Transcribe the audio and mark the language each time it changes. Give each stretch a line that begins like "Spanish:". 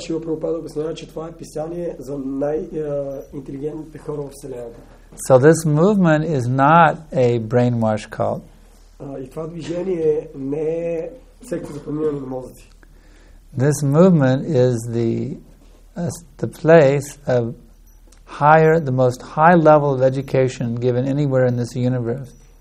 Bulgarian: Шрила Прабхупада обяснява, че това е писание за най-интелигентните хора в Вселената.
English: So this movement is not a brainwash cult.
Bulgarian: И това движение не е секта за промиване на мозъци.
English: This movement is the place of higher, the most high level of education given anywhere in this universe.